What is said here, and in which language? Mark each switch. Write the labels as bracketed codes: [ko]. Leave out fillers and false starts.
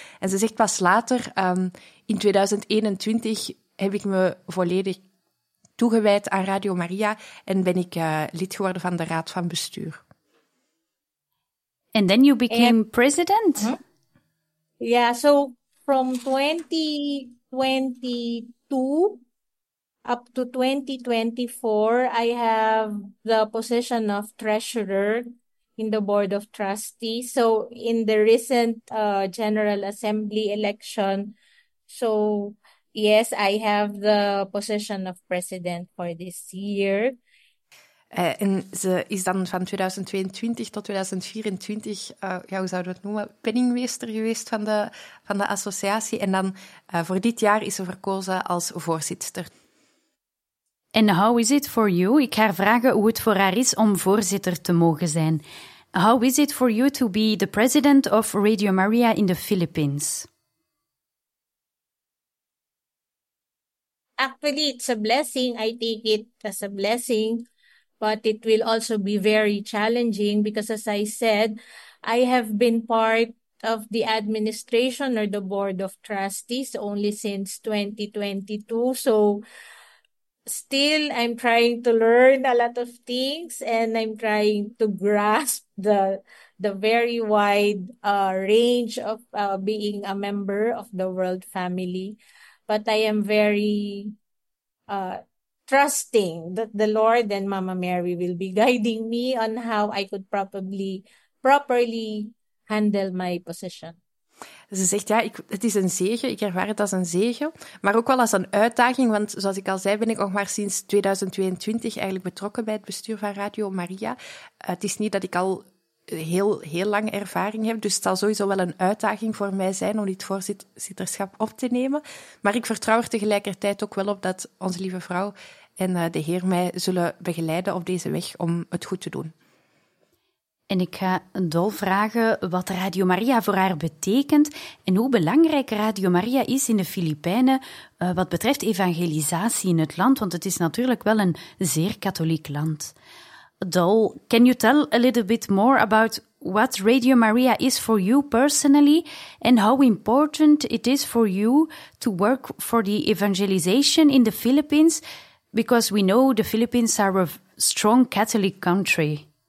[nl] En ze zegt pas later, in 2021, heb ik me volledig toegewijd aan Radio Maria en ben ik lid geworden van de Raad van Bestuur. [en] And then you became president? Huh? Yeah, so from 2022 up to 2024, I have the position of treasurer in the board of trustees. So in the recent general assembly election, so yes, I have the position of president for this year. [nl] En ze is dan van 2022 tot 2024, ja, hoe zouden we het noemen, penningmeester geweest van de associatie. En dan voor dit jaar is ze verkozen als voorzitter. [en] En how is it for you? [nl] Ik ga haar vragen hoe het voor haar is om voorzitter te mogen zijn. [en] How is it for you to be the president of Radio Maria in the Philippines? Actually, it's a blessing. I take it as a blessing. But it will also be very challenging because, as I said, I have been part of the administration or the board of trustees only since 2022. So still, I'm trying to learn a lot of things and I'm trying to grasp the very wide range of being a member of the world family. But I am very trusting that the Lord and Mama Mary will be guiding me on how I could probably properly handle my position. [nl] Ze zegt, ja, het is een zegen. Ik ervaar het als een zegen. Maar ook wel als een uitdaging, want zoals ik al zei, ben ik nog maar sinds 2022 eigenlijk betrokken bij het bestuur van Radio Maria. Het is niet dat ik al heel, heel lang ervaring heb, dus het zal sowieso wel een uitdaging voor mij zijn om dit voorzitterschap op te nemen. Maar ik vertrouw er tegelijkertijd ook wel op dat onze lieve vrouw en de Heer mij zullen begeleiden op deze weg om het goed te doen. En ik ga Dol vragen wat Radio Maria voor haar betekent en hoe belangrijk Radio Maria is in de Filipijnen wat betreft evangelisatie in het land, want het is natuurlijk wel een zeer katholiek land. [en] Dol, can you tell a little bit more about what Radio Maria is for you personally and how important it is for you to work for the evangelization in the Philippines? Because we know the Philippines are a strong Catholic country.